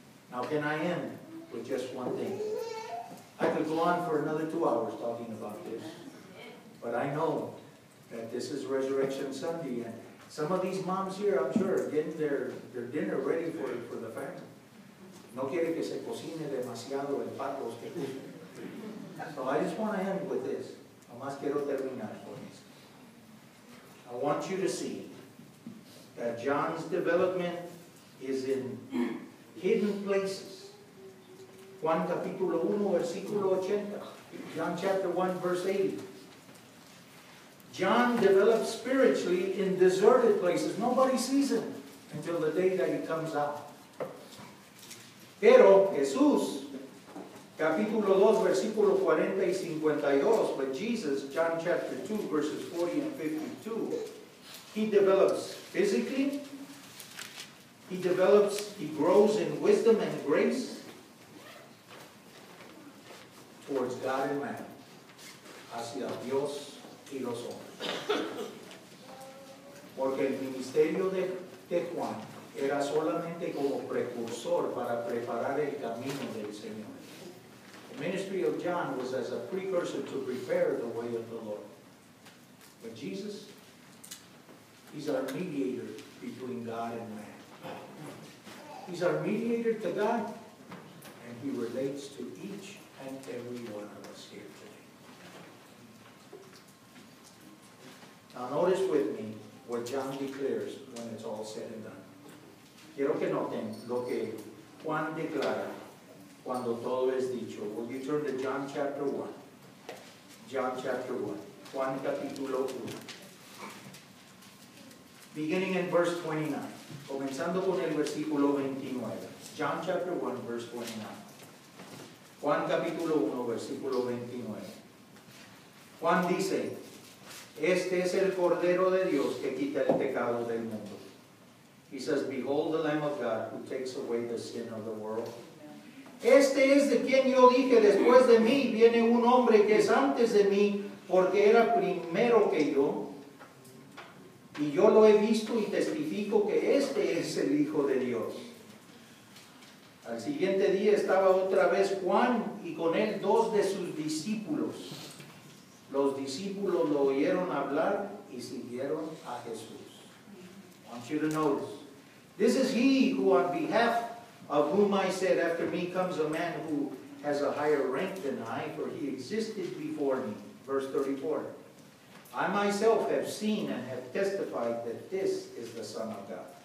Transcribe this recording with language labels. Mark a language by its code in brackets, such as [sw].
[en] Now, can I end with just one thing? I could go on for another 2 hours talking about this. But I know that this is Resurrection Sunday, and some of these moms here, I'm sure, are getting their dinner ready for the family. [es] No quiere que se cocine demasiado el pato. [en] So I just want to end with this. [es] Nomás quiero terminar con esto. [en] I want you to see that John's development is in hidden places. [es] Juan capítulo 1, versículo 80. [en] John chapter 1, verse 80. John develops spiritually in deserted places. Nobody sees him until the day that he comes out. [es] Pero Jesús, capítulo 2, versículo 40 y 52. [en] But Jesus, John chapter 2, verses 40 and 52. He develops physically. He grows in wisdom and grace towards God and man. [es] Hacia Dios y los hombres. Porque el ministerio de Juan era solamente como precursor para preparar el camino del Señor. [en] The ministry of John was as a precursor to prepare the way of the Lord. But Jesus, He's our mediator between God and man. He's our mediator to God, and He relates to each and every one of us here today. Now notice with me what John declares when it's all said and done. [es] Quiero que noten lo que Juan declara cuando todo es dicho. [en] Will you turn to John chapter 1? John chapter 1. [es] Juan capítulo 1. [en] Beginning in verse 29. [es] Comenzando con el versículo 29. [en] John chapter 1, verse 29. [es] Juan capítulo 1, versículo 29. Juan dice, este es el Cordero de Dios que quita el pecado del mundo. [en] He says, behold the Lamb of God who takes away the sin of the world. [es] Este es de quien yo dije, después de mí viene un hombre que es antes de mí porque era primero que yo. Y yo lo he visto y testifico que este es el Hijo de Dios. Al siguiente día estaba otra vez Juan y con él dos de sus discípulos. Los discípulos lo oyeron hablar y siguieron a Jesús. [en] I want you to notice. This is he who on behalf of whom I said after me comes a man who has a higher rank than I, for he existed before me. Verse 34. I myself have seen and have testified that this is the Son of God.